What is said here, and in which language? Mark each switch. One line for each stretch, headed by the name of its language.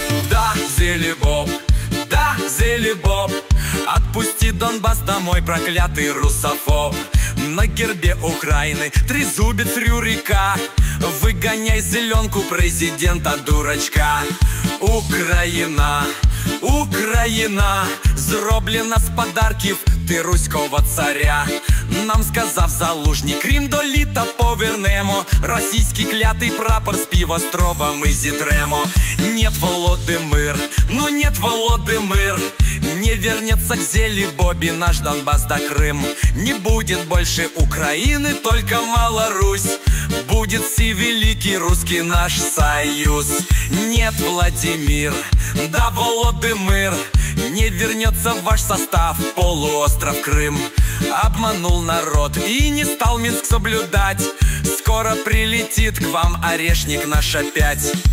Russian: Да, Зелебоб, да, Зелебоб, отпусти Донбасс домой, проклятый русофоб. На гербе Украины трезубец Рюрика, выгоняй зеленку президента дурачка.
Ukrainian: Украина, Украина, зроблена с подарків ты руського царя. Нам сказав залужник, Крим до літа повернемо, російський клятий прапор з півострова ми зітремо.
Russian: Нет, Володимир, ну нет, Володимир, не вернется к зелі Бобі наш Донбас да Крым. Не будет больше Украины, только Малорусь, будет си великий русский наш союз. Нет, Владимир, да Володимир, не вернется ваш состав в полуостров Крым. Обманул народ и не стал Минск соблюдать, скоро прилетит к вам орешник наш опять.